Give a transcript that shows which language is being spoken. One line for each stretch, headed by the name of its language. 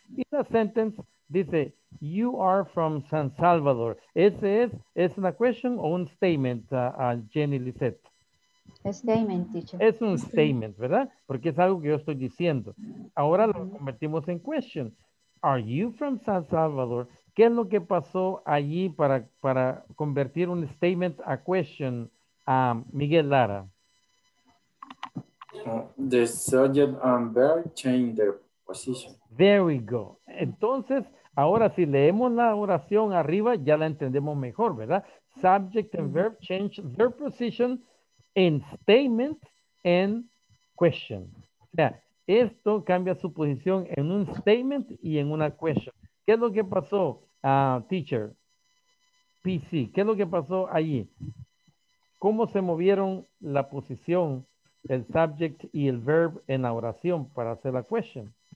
Spanish: Y la sentence dice,
English: you are from San Salvador.
Spanish: ¿Ese es una question o un statement, Jenny Lisette?
English: Statement, teacher.
Spanish: Es un statement, ¿verdad? Porque es algo que yo estoy diciendo. Ahora lo convertimos en question.
English: Are you from San Salvador?
Spanish: ¿Qué es lo que pasó allí para convertir un statement a question, Miguel Lara?
English: The subject and verb change their position. Very good.
Spanish: Entonces, ahora si leemos la oración arriba, ya la entendemos mejor, ¿verdad?
English: Subject and verb change their position in statement and question. Yeah.
Spanish: Esto cambia su posición en un statement y en una question. ¿Qué es lo que pasó, teacher? PC, ¿qué es lo que pasó allí? ¿Cómo se movieron la posición, el subject y el verb en la oración para hacer la question?